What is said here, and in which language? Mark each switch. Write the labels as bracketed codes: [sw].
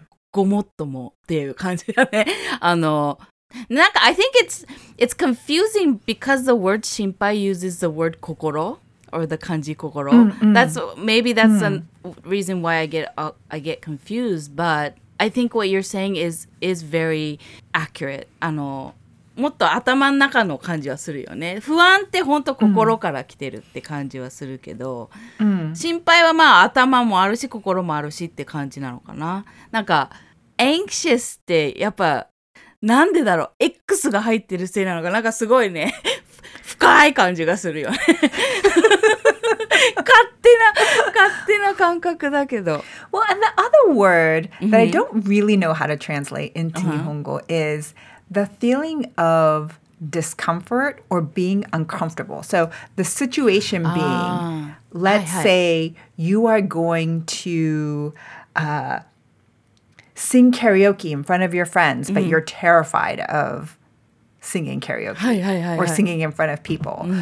[ja] ごもっともっていう感じだね。 [en] I think it's confusing because the word 心配 uses the word 心 or the kanji 心. Mm-hmm. That's the reason why I get confused. But I think what you're saying is very accurate. [ja] もっと頭の中の感じはするよね。不安って本当心から来てるって感じはするけど、うん、心配はまあ頭もあるし心もあるしって感じなのかな。なんか anxious ってやっぱなんでだろう、 X が入ってるせいなのか、なんかすごいね深い感じがするよね勝手な感覚だけど。 [en] Well, and the other word that I don't really know how to translate into 日本語 isThe feeling of discomfort or being uncomfortable. So the situation being, let's say you are going to sing karaoke in front of your friends, but you're terrified of singing karaoke or singing in front of people.